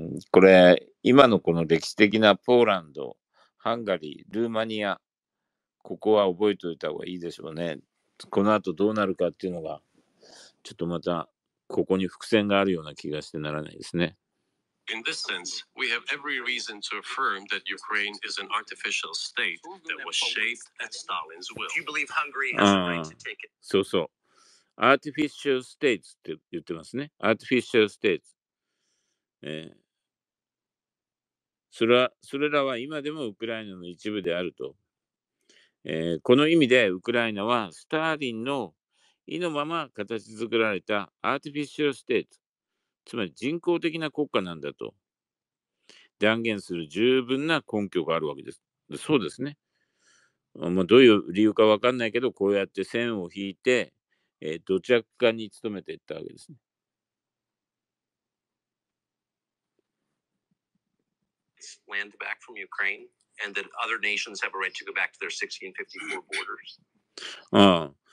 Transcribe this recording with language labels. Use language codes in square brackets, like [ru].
[ja] これ今のこの歴史的なポーランド、ハンガリー、ルーマニア、ここは覚えておいた方がいいでしょうね。この後どうなるかっていうのが、ちょっとまたここに伏線があるような気がしてならないですね。 [en] In this sense, we have every reason to affirm that Ukraine is an artificial state that was shaped at Stalin's will. Do you believe Hungary has the right to take it? [ja] そうそう。 Artificial states って言ってますね。 [en] Artificial states。 [ja] それらは今でもウクライナの一部であると、この意味でウクライナはスターリンの意のまま形作られたアーティフィシャルステート、つまり人工的な国家なんだと断言する十分な根拠があるわけです。そうですね。まあ、どういう理由かわかんないけど、こうやって線を引いて、土着化に努めていったわけですね。 [en] Land back from Ukraine, and that other nations have a right to go back to their 1654 borders.